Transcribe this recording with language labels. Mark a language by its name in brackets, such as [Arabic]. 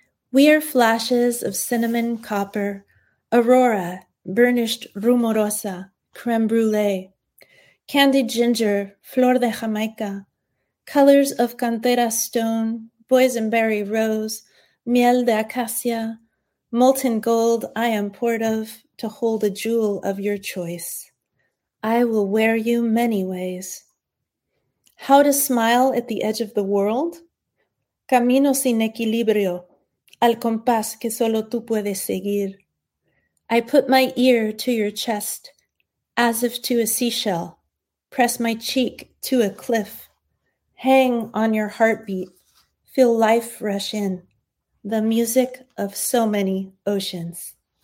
[English] We are flashes of cinnamon, copper, aurora, burnished rumorosa, creme brulee, candied ginger, flor de Jamaica, colors of cantera stone, boysenberry rose, miel de acacia, molten gold I am poured of to hold a jewel of your choice. I will wear you many ways. How to smile at the edge of the world? [Spanish] Camino sin equilibrio, al compás que solo tú puedes seguir. [English] I put my ear to your chest, as if to a seashell. Press my cheek to a cliff. Hang on your heartbeat. Feel life rush in. The music of so many oceans.